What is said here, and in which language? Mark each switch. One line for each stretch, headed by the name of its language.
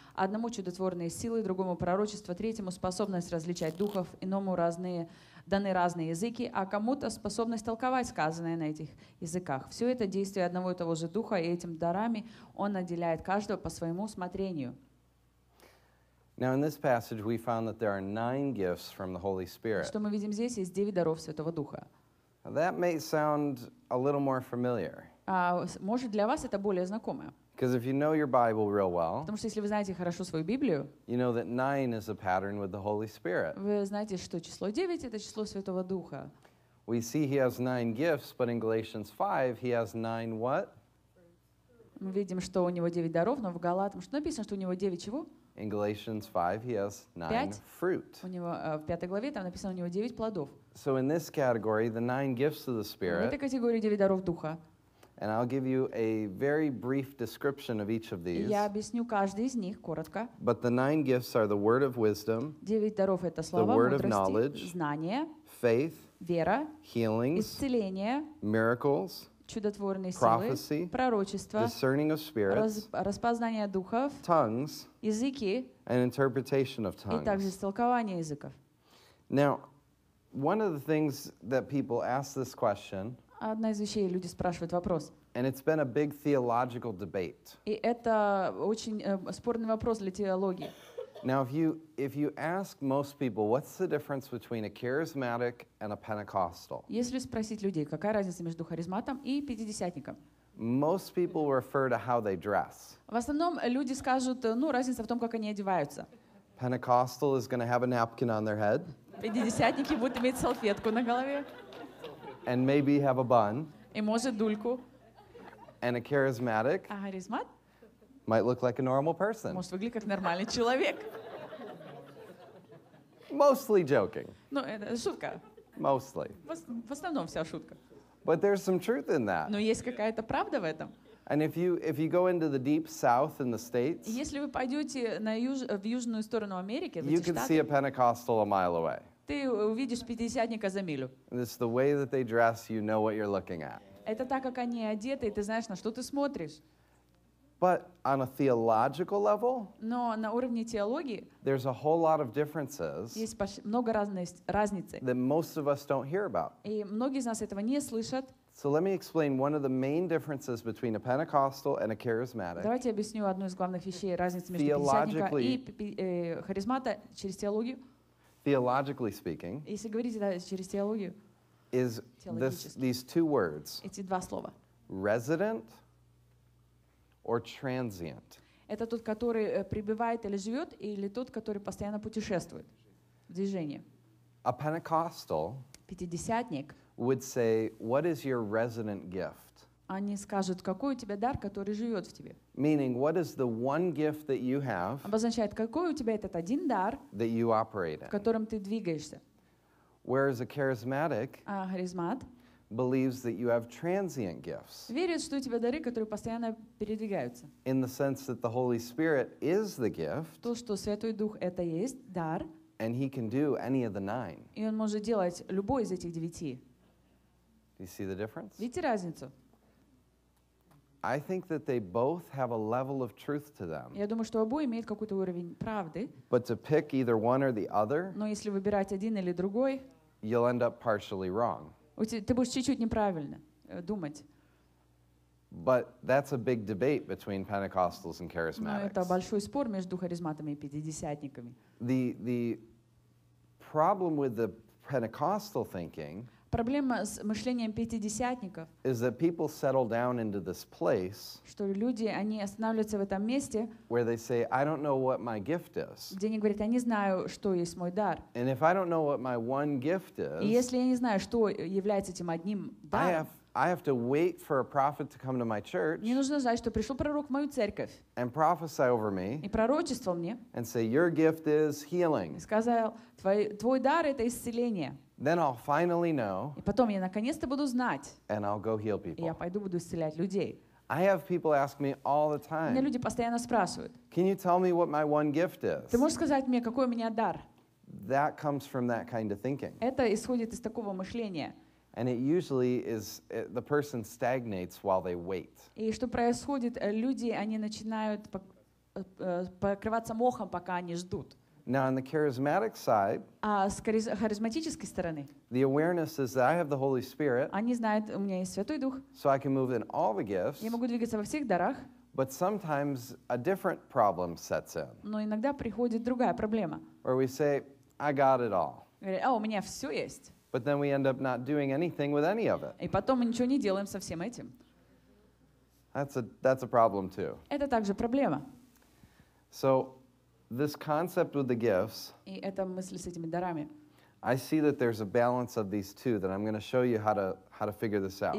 Russian: Одному чудотворные силы, другому пророчество, третьему способность различать духов, иному разные даны разные языки, а кому-то способность толковать сказанное на этих языках. Все это действие одного и того же Духа, и этим дарами Он наделяет каждого по своему усмотрению.
English: Now in this passage we found that there are 9 gifts from the Holy Spirit.
Russian: Что мы видим здесь, есть 9 даров Святого Духа.
English: That may sound a little more familiar.
Russian: Может, для вас это более знакомое.
English: Because if you know your Bible real well,
Russian: потому что если вы знаете хорошо свою Библию,
English: you know that 9 is a pattern with the Holy Spirit.
Russian: Вы знаете, что число 9 это число Святого Духа.
English: We see he has 9 gifts, but in Galatians 5 he has 9 what?
Russian: Мы видим, что у него 9 даров, но в Галатам что написано, что у него 9 чего?
English: In Galatians 5 he has 9 fruit.
Russian: У него в 5 главе там написано, у него 9 плодов.
English: So in this category, the 9 gifts of the Spirit.
Russian: В этой категории 9 даров Духа.
English: And I'll give you a very brief description of each of these.
Russian: Я объясню каждый из них коротко.
English: But the 9 gifts are the word of wisdom.
Russian: 9 даров это слово,
English: the word
Russian: мудрости,
English: of knowledge,
Russian: знание,
English: faith,
Russian: вера,
English: healings,
Russian: исцеление,
English: miracles,
Russian: чудотворные
English: prophecy,
Russian: силы, пророчество,
English: discerning of spirits,
Russian: распознание духов,
English: tongues,
Russian: языки,
English: and interpretation of tongues.
Russian: И также истолкование языков.
English: Now, one of the things that people ask this question,
Russian: одна из вещей, люди спрашивают вопрос,
English: and it's been a big theological debate.
Russian: И это очень спорный вопрос для теологии.
English: Now, if you ask most people, what's the difference between a charismatic and a Pentecostal?
Russian: Если спросить людей, какая разница между харизматом и пятидесятником?
English: Most people refer to how they dress.
Russian: В основном люди скажут, ну разница в том, как они одеваются.
English: Pentecostal is going to have a napkin on their head.
Russian: Пятидесятники будут иметь салфетку на голове.
English: And maybe have a bun.
Russian: И может дульку.
English: And a charismatic.
Russian: А харизмат?
English: Might look like a normal person.
Russian: Может выглядеть как нормальный человек.
English: Mostly joking.
Russian: Ну, это шутка.
English: Mostly.
Russian: В основном вся шутка.
English: But there's some truth in that.
Russian: Но есть какая-то правда в этом.
English: And if you go into the deep south in the States,
Russian: если вы пойдете на в южную сторону Америки,
English: you can see a Pentecostal a mile away.
Russian: Ты увидишь пятидесятника за милю.
English: It's the way that they dress, you know what you're looking at.
Russian: Это так, как они одеты, и ты знаешь, на что ты смотришь.
English: But on a theological level,
Russian: но на уровне теологии,
English: there's a whole lot of differences,
Russian: есть много разницы,
English: that most of us don't hear about.
Russian: И многие из нас этого не слышат.
English: So let me explain one of the main differences between a Pentecostal and a charismatic.
Russian: Давайте объясню одну из главных вещей разницы между пятидесятником и харизматом через теологию.
English: Theologically speaking,
Russian: если говорить да, через теологию,
English: is these two words,
Russian: эти два слова,
English: resident or transient.
Russian: Это тот, который пребывает или живет, или тот, который постоянно путешествует. Движение.
English: A Pentecostal,
Russian: пятидесятник,
English: would say, what is your resident gift?
Russian: Они скажут, какой у тебя дар, который живет в тебе.
English: Meaning, what is the one gift that you have,
Russian: обозначает, какой у тебя этот один дар,
English: that you operate in,
Russian: в котором ты двигаешься.
English: Whereas a charismatic,
Russian: а харизмат,
English: believes that you have transient gifts.
Russian: Верит, что у тебя дары, которые постоянно передвигаются.
English: In the sense that the Holy Spirit is the gift.
Russian: То, что Святой Дух это есть дар.
English: And he can do any of the 9.
Russian: И он может делать любой из этих 9.
English: Do you see the difference?
Russian: Видите разницу?
English: I think that they both have a level of truth to them.
Russian: Я думаю, что оба имеют какой-то уровень правды.
English: But to pick either one or the other.
Russian: Но если выбирать один или другой.
English: You'll end up partially wrong.
Russian: Ты будешь чуть-чуть неправильно думать.
English: But that's a big debate between Pentecostals and charismatics.
Russian: Но это большой спор между харизматами и пятидесятниками.
English: The problem with the Pentecostal thinking
Russian: проблема с мышлением пятидесятников
English: is that people settle down into this place
Russian: что люди, они останавливаются в этом месте
English: where they say, I don't know what my gift is.
Russian: Где они говорят, я не знаю, что есть мой дар.
English: And if I don't know what my one gift is,
Russian: и если я не знаю, что является этим одним даром,
English: I have to wait for a prophet to come to my church
Russian: мне нужно знать, что пришел пророк в мою церковь
English: and prophesy over me
Russian: и пророчествовал мне
English: and say, your gift is healing.
Russian: И сказал, твой дар — это исцеление.
English: Then I'll finally know.
Russian: И потом я наконец-то буду знать.
English: And I'll go heal people.
Russian: И я пойду буду исцелять людей.
English: I have people ask me all the time.
Russian: Меня люди постоянно спрашивают.
English: Can you tell me what my one gift is?
Russian: Ты можешь сказать мне, какой у меня дар?
English: That comes from that kind of thinking.
Russian: Это исходит из такого мышления.
English: And it usually is the person stagnates while they wait.
Russian: И что происходит? Люди они начинают покрываться мохом, пока они ждут.
English: Now on the charismatic side,
Russian: с харизматической стороны,
English: the awareness is that I have the Holy Spirit.
Russian: Они знают, у меня есть Святой Дух.
English: So I can move in all the gifts.
Russian: Я могу двигаться во всех дарах.
English: But sometimes a different problem sets in.
Russian: Но иногда приходит другая проблема.
English: Where we say, I got it all.
Russian: Говорит, у меня все есть.
English: But then we end up not doing anything with any of it.
Russian: И потом мы ничего не делаем со всем этим.
English: That's a problem too.
Russian: Это также проблема.
English: So. This concept with the gifts,
Russian: и эта мысль с этими дарами,
English: I see that there's a balance of these two that I'm going to show you how to figure this out.